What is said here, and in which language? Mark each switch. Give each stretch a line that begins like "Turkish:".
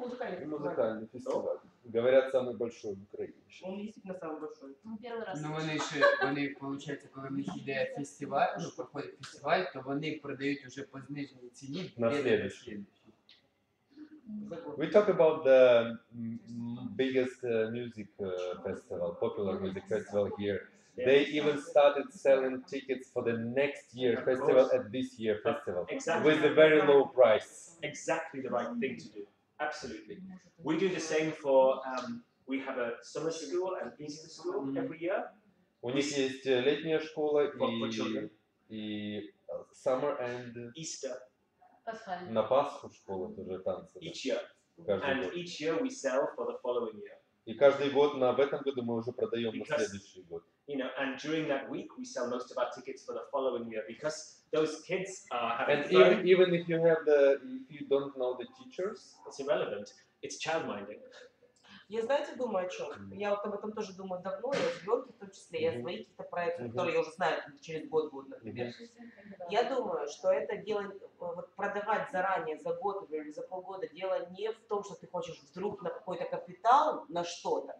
Russian: музыкальный фестиваль. Говорят, самый большой в Украине. Он действительно самый большой. Ну, первый раз. Ну, они еще, они, получается, когда у них идея фестиваль, ну, проходит фестиваль, то они продают уже по сниженной цене. На следующий.
English: We talk about the biggest music festival, popular music festival here. They even started selling tickets for the next year festival at this year festival with a very low price. Exactly the right thing to do. Absolutely. We do the same for, we have a summer school and Easter school every year.
Russian: У них есть летняя школа и
English: summer and Easter.
Russian: На Пасху школа тоже танцы.
English: Each year. And each year we sell for the following year.
Russian: И каждый год, в этом году мы уже продаем на следующий год.
English: You know, and during that week we sell most of our tickets for the following year because those kids are having and fun. And even if you have the, if you don't know the teachers, it's irrelevant. It's childminding.
Russian: Я, знаете, думаю о чем? Я вот об этом тоже думаю давно, я ребенки в том числе, я свои какие-то проекты, которые я уже знаю, через год будут, например. Я думаю, что это дело, вот продавать заранее, за год или за полгода, дело не в том, что ты хочешь вдруг на какой-то капитал, на что-то.